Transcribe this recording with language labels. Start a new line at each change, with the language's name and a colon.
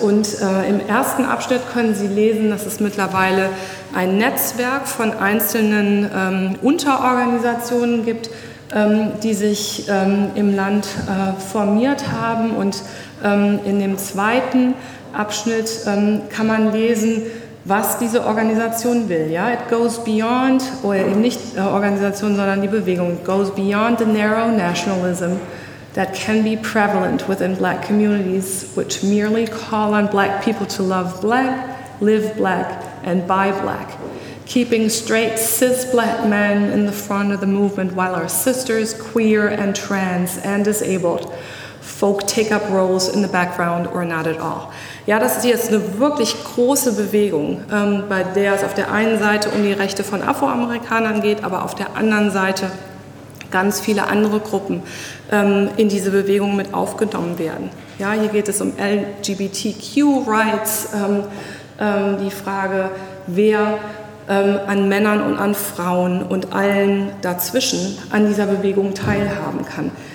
German: Und im ersten Abschnitt können Sie lesen, dass es mittlerweile ein Netzwerk von einzelnen Unterorganisationen gibt, die sich im Land formiert haben. Und in dem zweiten Abschnitt kann man lesen, was diese Organisation will. Ja?
English: It goes beyond,
German: oder eben nicht Organisation, sondern die Bewegung.
English: It goes beyond the narrow nationalism that can be prevalent within black communities, which merely call on black people to love black, live black, and buy black. Keeping straight cis black men in the front of the movement while our sisters, queer and trans and disabled folk take up roles in the background or not at all.
German: Ja, das ist jetzt eine wirklich große Bewegung, bei der es auf der einen Seite um die Rechte von Afroamerikanern geht, aber auf der anderen Seite ganz viele andere Gruppen in diese Bewegung mit aufgenommen werden. Ja, hier geht es um LGBTQ-Rights, die Frage, wer an Männern und an Frauen und allen dazwischen an dieser Bewegung teilhaben kann.